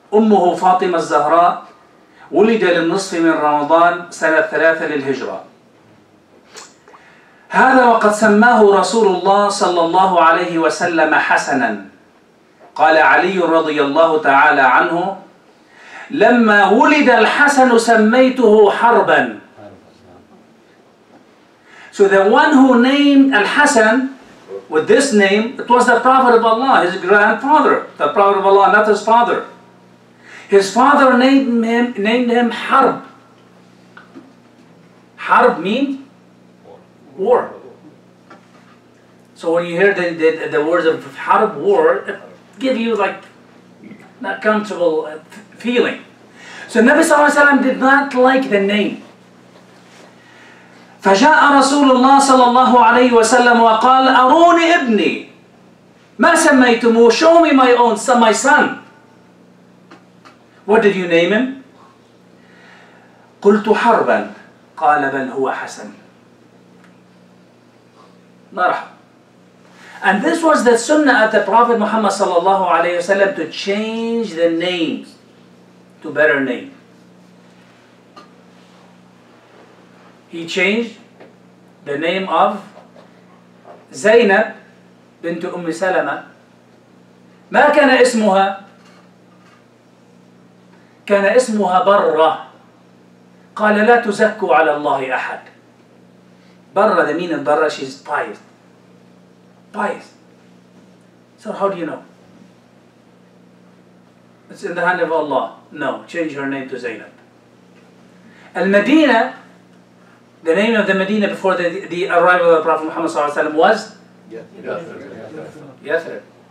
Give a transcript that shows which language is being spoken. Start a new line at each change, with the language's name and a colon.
Arabic: أمه فاطمة الزهراء, ولد للنصف من رمضان سنة 3 للهجرة. هذا وقد سماه رسول الله صلى الله عليه وسلم حسنا. قال علي رضي الله تعالى عنه: لما ولد الحسن سميته حربا.
English: So the one who named Al-Hasan with this name, it was the Prophet of Allah, his grandfather, the Prophet of Allah, not his father. His father named him Harb. Harb means war. So when you hear the words of Harb, war, it gives you like not comfortable feeling. So Nabi Sallallahu Alaihi Wasallam did not like the name.
Arabic: فجاء رسول الله صلى الله عليه وسلم وقال أروني ابني ما سميتمو,
English: show me my own son, my son. What did you name him?
Arabic: قلت حربا, قال بل هو حسن. مرحبا.
English: And this was the sunnah at the Prophet Muhammad sallallahu alayhi wasallam to change the names to better name. He changed the name of Zainab bint Umm Salama.
Arabic: ما كان اسمها؟ كان اسمها برة. قال لا تزكوا على الله أحد.
English: برة, the meaning of برة, she's pious. Pious. So how do you know? It's in the hand of Allah. No, change her name to Zainab. Al-Madina, the name of the Medina before the arrival of the Prophet Muhammad صلى الله عليه وسلم was? Yathrib.